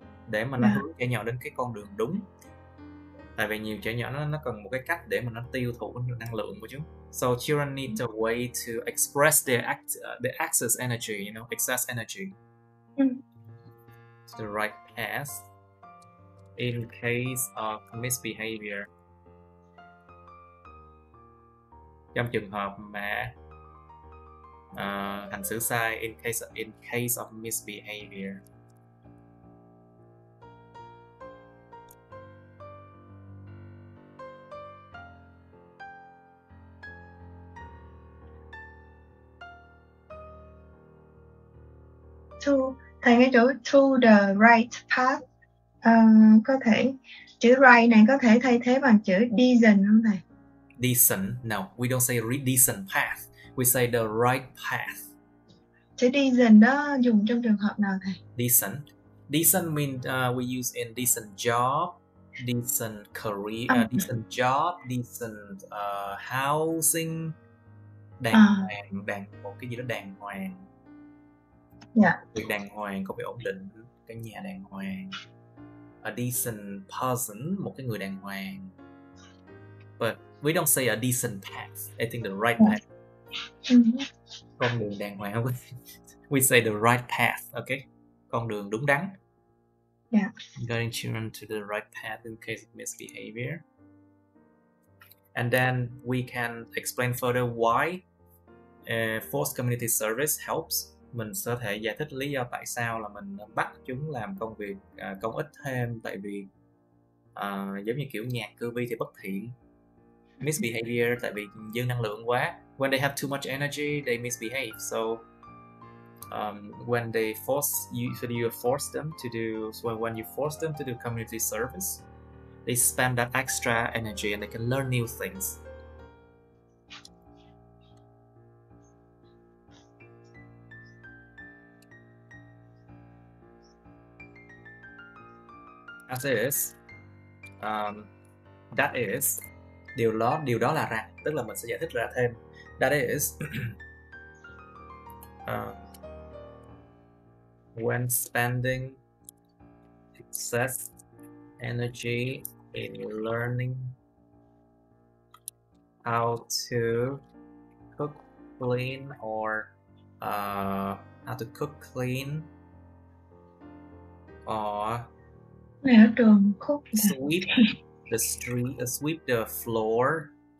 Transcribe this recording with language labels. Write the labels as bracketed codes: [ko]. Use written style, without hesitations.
[vi] Để mà nó hướng trẻ nhỏ đến cái con đường đúng. Tại vì nhiều trẻ nhỏ nó cần một cái cách để mà nó tiêu thụ năng lượng của chúng. [en] So children need a way to express their excess energy, you know, excess energy. To the right path in case of misbehavior. [vi] Trong trường hợp mà hành xử sai [en] in case of misbehavior. [vi] Thầy nghe chỗ [en] to the right path [vi] có thể chữ right này có thể thay thế bằng chữ decent không thầy? [en] Decent, no, we don't say decent path, we say the right path. [vi] Chữ decent đó dùng trong trường hợp nào thầy? [en] Decent means we use in decent job, decent career, decent job, decent housing, [vi] đàng một cái gì đó đàng hoàng. [en] Yeah. [vi] Việc đàng hoàng, có việc ổn định, cái nhà đàng hoàng. [en] A decent person, [vi] một cái người đàng hoàng. [en] But we don't say a decent path. I think the right path. [vi] Con đường đàng hoàng. [en] We say the right path, okay? [vi] Con đường đúng đắn. [en] guiding children to the right path in case of misbehavior. And then we can explain further why forced community service helps. [vi] Mình sẽ thể giải thích lý do tại sao là mình bắt chúng làm công việc công ích thêm, tại vì giống như kiểu nhạc cư vi thì bất thiện. Misbehavior tại vì dư năng lượng quá. [en] When they have too much energy, they misbehave. So when they force you, so you force them to do, so when you force them to do community service, they spend that extra energy and they can learn new things. As is, that is, [vi] điều đó là rằng, tức là mình sẽ giải thích ra thêm. [en] That is, when spending excess energy in learning how to cook clean or how to cook clean or sweep the street, sweep the floor,